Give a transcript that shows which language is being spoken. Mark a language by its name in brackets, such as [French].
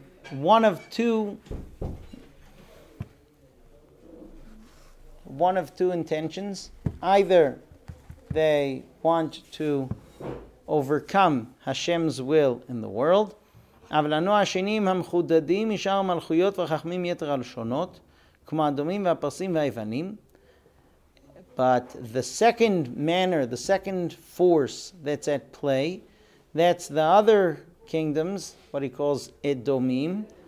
[English] One of two intentions. Either they want to overcome Hashem's will in the world. [Hebrew] אבל אנו השנים המחודדים משאר מלכויות וחכמים יתר הלשונות, כמו אדומים והפרסים והיוונים. [English] But the second manner, the second force that's at play, that's the other kingdoms, what he calls Edomim.